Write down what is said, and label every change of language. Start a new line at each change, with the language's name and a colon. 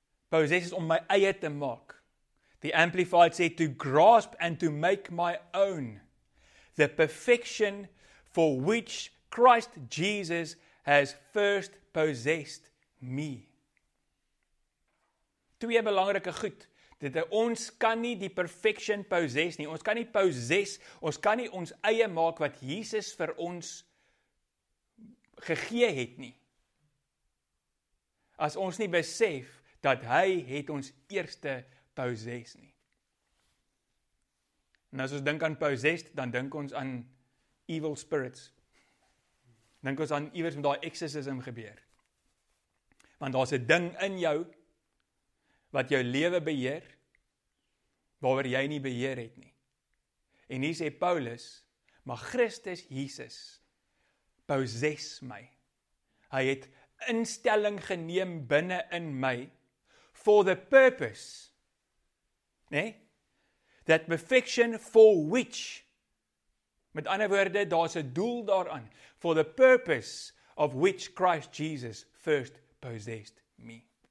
Afrikaans: Possess is om my eie te maak.
English: The Amplified
Afrikaans: sê,
English: to grasp and to make my own. The perfection for which Christ Jesus has first possessed me.
Afrikaans: Twee belangrike goed. Dit ons kan nie die perfection possess nie. Ons kan nie possess, ons kan nie ons eie maak wat Jesus vir ons gegee het nie. As ons nie besef, dat hy het ons eerste possess nie. En as ons dink aan possessed, dan dink ons aan evil spirits. Dink ons aan iewers met daai exorcism gebeur. Want daar's 'n ding in jou, wat jou lewe beheer, waaroor jy nie beheer het nie. En hier sê Paulus, maar Christus Jesus, possess my. Hy het instelling geneem binne in my,
English: for the purpose
Afrikaans: Nee?
English: That perfection for which?
Afrikaans: Met ander woorde, daar's 'n doel daaraan.
English: For the purpose of which Christ Jesus first possessed me.